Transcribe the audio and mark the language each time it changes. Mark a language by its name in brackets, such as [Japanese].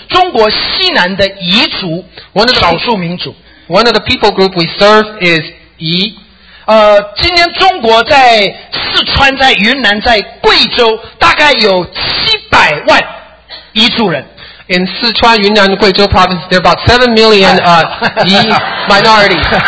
[Chinese] 我们主要工作的一个方向或者一个人群呢是中国西南的彝族, 少数民族。 [English] One of the people group we serve is 彝。 [Chinese] 今天中国在四川、在云南、在贵州大概有700万彝族人。 [English] In Sichuan, Yunnan, Guizhou province, there are about 7 million Yi minorities.